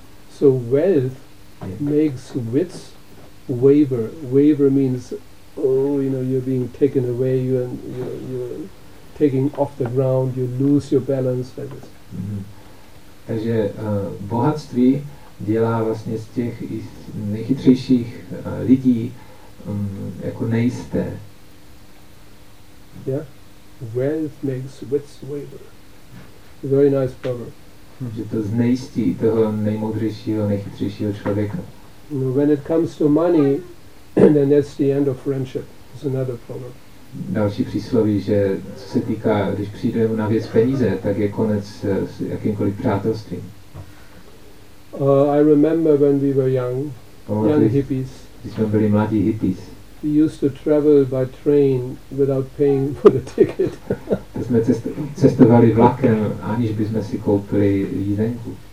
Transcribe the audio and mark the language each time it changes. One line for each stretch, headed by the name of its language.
English: So wealth makes wits waver. Waver means, oh, you know, you're being taken away, you're taking off the ground, you lose your balance. Like this. Mm-hmm.
Czech: Takže bohatství dělá vlastně z těch nejchytřejších lidí jako nejisté.
English: Yeah, wealth makes wits waver. Very nice proverb.
Czech: Že to znejistí toho nejmoudřejšího, nejchytřejšího člověka.
English: When it comes to money, then that's the end of friendship. It's another problem.
Czech: Další přísloví, že co se týká, když přijde na věc peníze, tak je konec s jakýmkoliv přátelstvím.
English: I remember when we were young hippies.
Czech: Když jsme byli mladí hippies.
English: We used to travel by train without paying for the ticket.
Czech: To jsme cestovali vlakem, aniž bychom si koupili jízdenku.